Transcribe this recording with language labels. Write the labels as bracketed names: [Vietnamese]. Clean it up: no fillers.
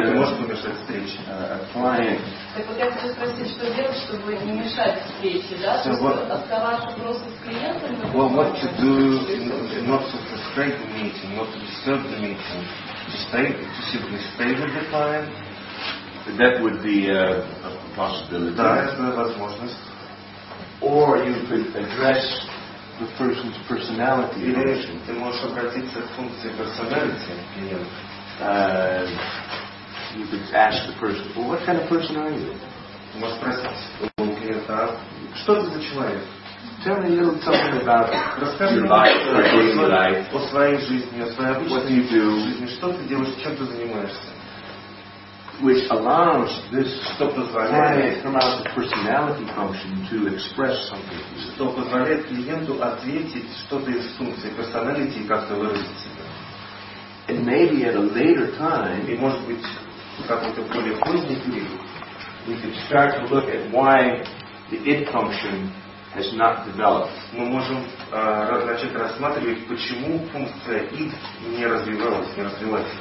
[Russian] это может помешать встрече. Так вот я хочу спросить, что делать, чтобы не мешать встрече, да? Чтобы оставаться просто с клиентом? [English] Well, what to do not to frustrate the meeting, not to disturb the meeting, to simply stay with the client. That would be a possibility. [Russian] Да, это возможность. [English] Or you could address the person's personality. [Russian] Или ты можешь обратиться к функции персоналити. [English] You could ask the person, well, what kind of person are you? [Russian] Можешь спросить, конкретно, а что ты за человек? [English] Tell me a little something about [Russian] расскажи о своей жизни, о своей обычной жизни, что ты делаешь, чем ты занимаешься. [English] Which allows this, [Russian] что позволяет, [English] allows the personality function to express something. [Russian] Что позволяет клиенту ответить что-то из функции personality и как-то выразить себя. [English] And maybe at a later time, [Russian] и может быть в какой-то более поздний период, [English] we could start to look at why the it function has not developed. [Russian] Мы можем начать рассматривать, почему функция it не развивалась, не развилась.